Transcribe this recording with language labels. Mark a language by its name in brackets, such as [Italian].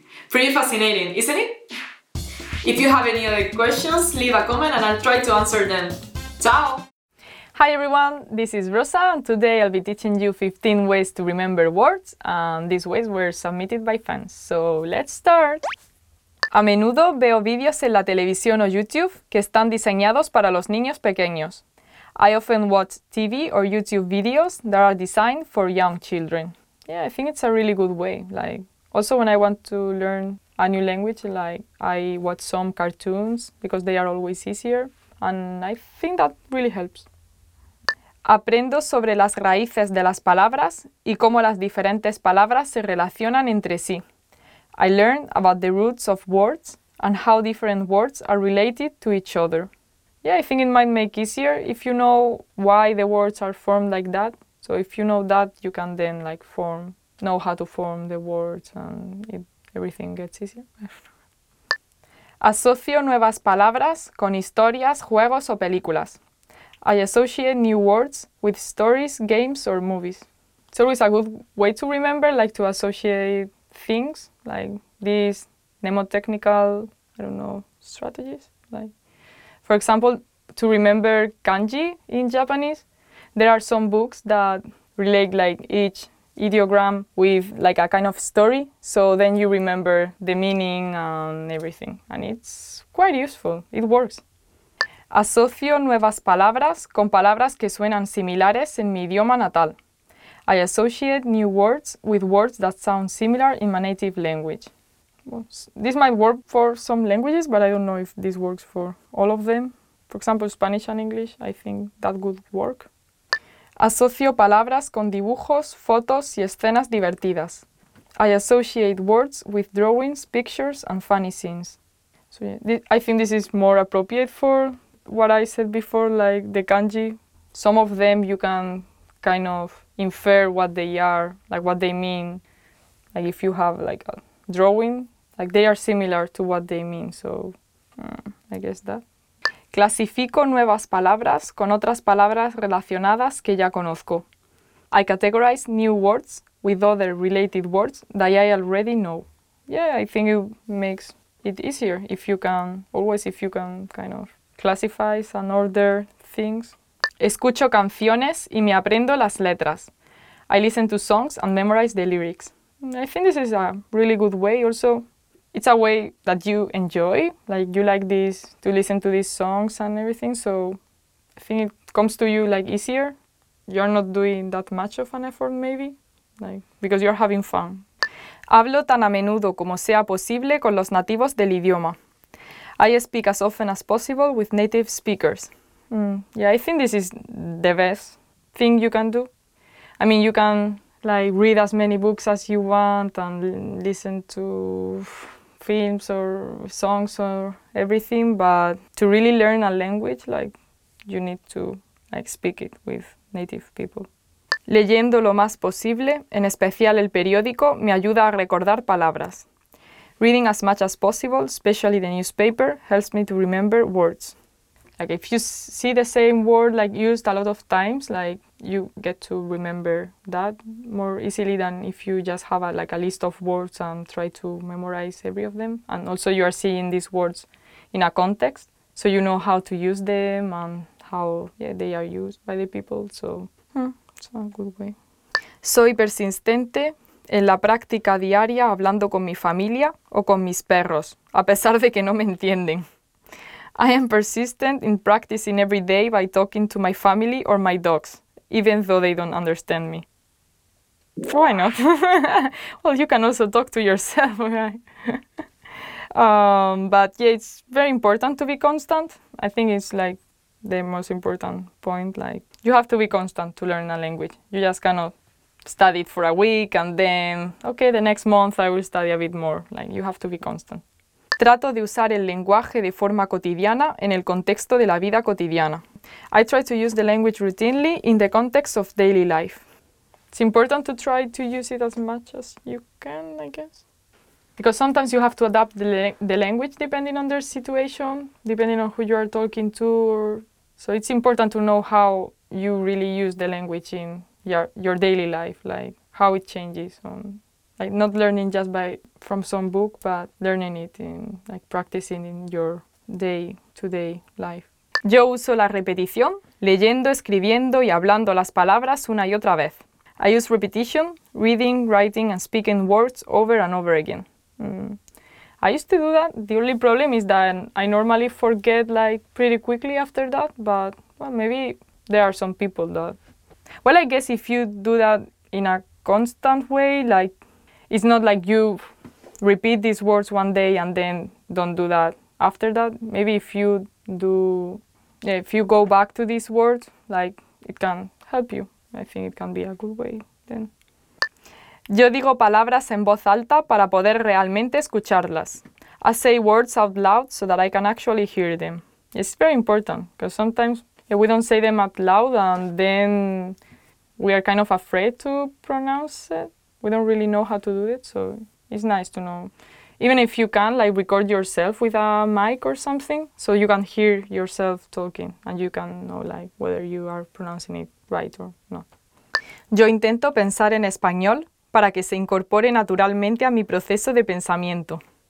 [English] Pretty fascinating, isn't it? If you have any other questions, leave a comment and I'll try to answer them. [Italian] Ciao! [English] Hi everyone, this is Rosa, and today I'll be teaching you 15 ways to remember words, and these ways were submitted by fans. So let's start! [Spanish] A menudo veo vídeos en la televisión o YouTube que están diseñados para los niños pequeños. [English] I often watch TV or YouTube videos that are designed for young children. Yeah, I think it's a really good way. Like, also when I want to learn a new language, like, I watch some cartoons because they are always easier, and I think that really helps. [Spanish] Aprendo sobre las raíces de las palabras y cómo las diferentes palabras se relacionan entre sí. [English] I learned about the roots of words and how different words are related to each other. Yeah, I think it might make easier if you know why the words are formed like that. So if you know that, you can then like know how to form the words and everything gets easier. [Spanish] Asocio nuevas palabras con historias, juegos o películas. [English] I associate new words with stories, games or movies. It's always a good way to remember, like to associate things like these mnemotechnical, I don't know, strategies. Like, for example, to remember kanji in Japanese, there are some books that relate like each ideogram with like a kind of story. So then you remember the meaning and everything. And it's quite useful. It works. [Spanish] Asocio nuevas palabras con palabras que suenan similares en mi idioma natal. [English] I associate new words with words that sound similar in my native language. Well, this might work for some languages, but I don't know if this works for all of them. For example, Spanish and English, I think that would work. [Spanish] Asocio palabras con dibujos, fotos y escenas divertidas. [English] I associate words with drawings, pictures and funny scenes. So yeah, I think this is more appropriate for what I said before, like the kanji. Some of them you can kind of infer what they are, like what they mean. Like if you have like a drawing, like they are similar to what they mean. So I guess that. [Spanish] Clasifico nuevas palabras con otras palabras relacionadas que ya conozco. [English] I categorize new words with other related words that I already know. Yeah, I think it makes it easier if you can, always if you can kind of classify and order things. [Spanish] Escucho canciones y me aprendo las letras. [English] I listen to songs and memorize the lyrics. I think this is a really good way also. It's a way that you enjoy, like you like this, to listen to these songs and everything. So I think it comes to you like easier. You're not doing that much of an effort maybe, like because you're having fun. [Spanish] Hablo tan a menudo como sea posible con los nativos del idioma. [English] I speak as often as possible with native speakers. Yeah, I think this is the best thing you can do. I mean, you can like read as many books as you want and listen to films or songs or everything, but to really learn a language, like you need to like speak it with native people. [Spanish] Leyendo lo más posible, en especial el periódico, me ayuda a recordar palabras. [English] Reading as much as possible, especially the newspaper, helps me to remember words. Like if you see the same word like used a lot of times, like you get to remember that more easily than if you just have a list of words and try to memorize every of them. And also you are seeing these words in a context, so you know how to use them and how they are used by the people. So it's a good way. [Spanish] Soy persistente en la práctica diaria hablando con mi familia o con mis perros, a pesar de que no me entienden. [English] I am persistent in practicing every day by talking to my family or my dogs, even though they don't understand me. Why not? Well, you can also talk to yourself, right? But yeah, it's very important to be constant. I think it's like the most important point. Like, you have to be constant to learn a language. You just cannot study it for a week and then, okay, the next month I will study a bit more. Like, you have to be constant. [Spanish] Trato de usar el lenguaje de forma cotidiana en el contexto de la vida cotidiana. [English] I try to use the language routinely in the context of daily life. It's important to try to use it as much as you can, I guess. Because sometimes you have to adapt the language depending on their situation, depending on who you are talking to. So it's important to know how you really use the language in your daily life, like how it changes on Like not learning just by from some book, but learning it in like practicing in your day-to-day life. [Spanish] Yo uso la repetición, leyendo, escribiendo y hablando las palabras una y otra vez. [English] I use repetition, reading, writing and speaking words over and over again. I used to do that. The only problem is that I normally forget like pretty quickly after that, but well, maybe there are some people that... Well, I guess if you do that in a constant way, like it's not like you repeat these words one day and then don't do that after that. Maybe if you do, if you go back to these words, like it can help you. I think it can be a good way then. [Spanish] Yo digo palabras en voz alta para poder realmente escucharlas. [English] I say words out loud so that I can actually hear them. It's very important because sometimes we don't say them out loud and then we are kind of afraid to pronounce it. We don't really know how to do it, so it's nice to know. Even if you can, like record yourself with a mic or something so you can hear yourself talking and you can know like whether you are pronouncing it right or not. [Spanish] Yo intento pensar en español para que se incorpore naturalmente a mi proceso de pensamiento.